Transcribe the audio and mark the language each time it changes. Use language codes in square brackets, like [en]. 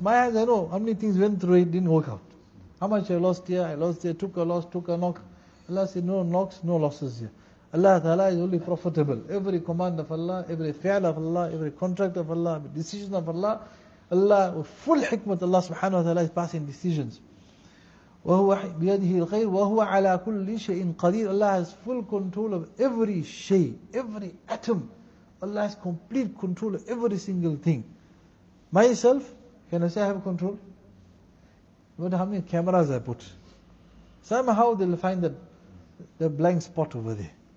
[en] My hands, I know how many things went through it, didn't work out. How much I lost here, took a loss, took a knock. Allah says, no knocks, no losses here. Allah Ta'ala is only profitable. Every command of Allah, every fi'al of Allah, every contract of Allah, every decision of Allah, with full hikmat, Allah subhanahu wa ta'ala is passing decisions. [ar] وهو بيده الخير وهو على كل شيء قدير. [en] Allah has full control of every shay, every atom. Allah has complete control of every single thing. Myself, can I say I have control? What, how many cameras I put? Somehow they'll find the blank spot over there.